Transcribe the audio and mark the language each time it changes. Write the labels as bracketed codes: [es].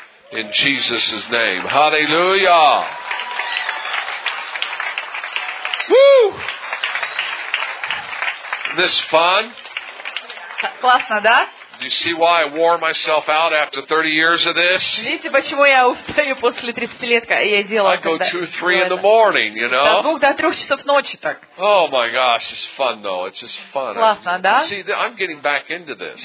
[en] In Jesus' name. Hallelujah. Woo! This fun? [ru] Классно, да? [en] Do you see why I wore myself out after 30 years of this? [ru] Видите, почему я устаю после 30 лет, когда я делала это? [en] I go 2-3 in the morning, you know? [ru] До 2-3 часов ночи так. [en] Oh my gosh, it's fun though. It's just fun. [ru] Классно, да? [en] See, I'm getting back into this.